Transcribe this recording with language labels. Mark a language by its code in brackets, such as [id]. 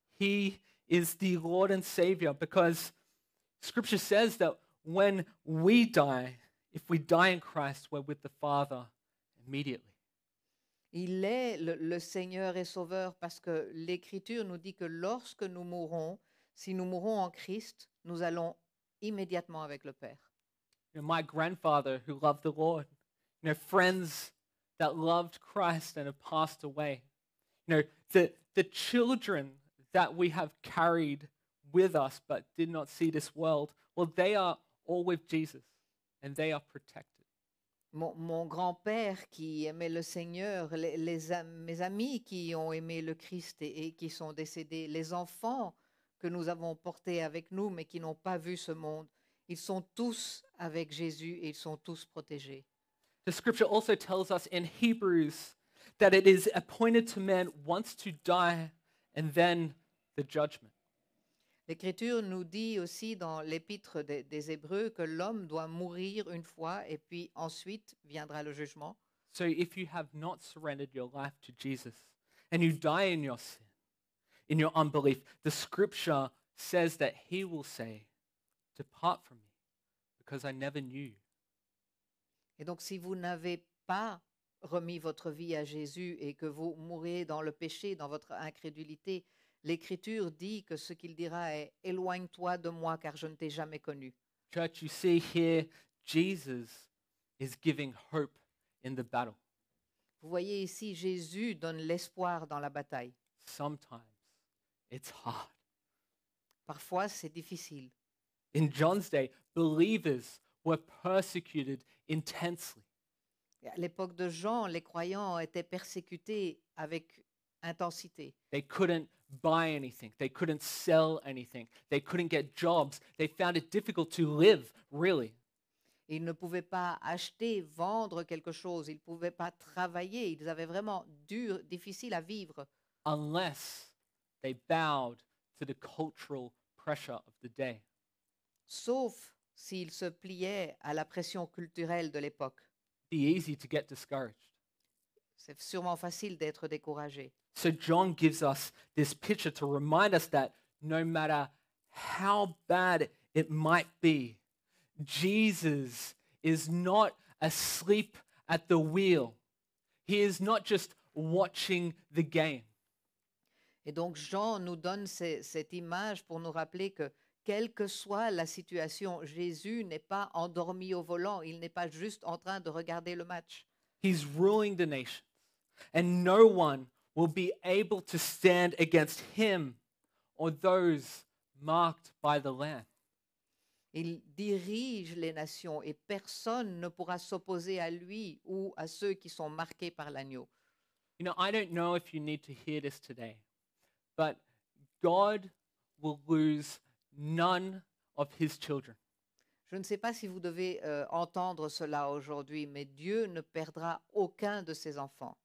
[en] He is the Lord and Savior because Scripture says that when we die, if we die in Christ, we're with the Father immediately. [fr] Il est le Seigneur et Sauveur parce que l'Écriture nous dit que lorsque nous mourons, si nous mourons en Christ, nous allons immédiatement avec le Père. [en] You know, my grandfather who loved the Lord, you know, friends that loved Christ and have passed away. You know, the children that we have carried with us but did not see this world, well, they are all with Jesus and they are protected. [fr] Mon grand-père qui aimait le Seigneur, mes amis qui ont aimé le Christ et qui sont décédés, les enfants que nous avons portés avec nous mais qui n'ont pas vu ce monde, ils sont tous avec Jésus et ils sont tous protégés. [en] The scripture also tells us in Hebrews that it is appointed to man once to die and then the judgment. [fr] L'Écriture nous dit aussi dans l'Épître des Hébreux que l'homme doit mourir une fois et puis ensuite viendra le jugement. [en] So if you have not surrendered your life to Jesus and you die in your sin, in your unbelief, the scripture says that he will say, depart from me, because I never knew you. [fr] Et donc si vous n'avez pas remis votre vie à Jésus et que vous mourrez dans le péché, dans votre incrédulité, l'Écriture dit que ce qu'il dira est « Éloigne-toi de moi, car je ne t'ai jamais connu. » [en] Church, you see here, Jesus is giving hope in the battle. [fr] Vous voyez ici, Jésus donne l'espoir dans la bataille. [en] Sometimes, it's hard. [fr] Parfois, c'est difficile. [en] In John's day, believers were persecuted intensely. [fr] À l'époque de Jean, les croyants étaient persécutés avec intensité. [en] They couldn't buy anything. They couldn't sell anything. They couldn't get jobs. They found it difficult to live, really. [fr] Ils ne pouvaient pas acheter, vendre quelque chose. Ils ne pouvaient pas travailler. Ils avaient vraiment dur, difficile à vivre. [en] Unless they bowed to the cultural pressure of the day. [fr] Sauf s'ils se pliaient à la pression culturelle de l'époque. [en] It'd be easy to get discouraged. [fr] C'est sûrement facile d'être découragé. [en] So John gives us this picture to remind us that no matter how bad it might be, Jesus is not asleep at the wheel. He is not just watching the game. [fr] Et donc Jean nous donne cette image pour nous rappeler que quelle que soit la situation, Jésus n'est pas endormi au volant. Il n'est pas juste en train de regarder le match. [en] He's ruling the nation. And no one will be able to stand against him or those marked by the Lamb. [fr] Il dirige les nations et personne ne pourra s'opposer à lui ou à ceux qui sont marqués par l'agneau. [en] You know, I don't know if you need to hear this today, but God will lose none of his children. [fr] Je ne sais pas si vous devez entendre cela aujourd'hui, mais Dieu ne perdra aucun de ses enfants.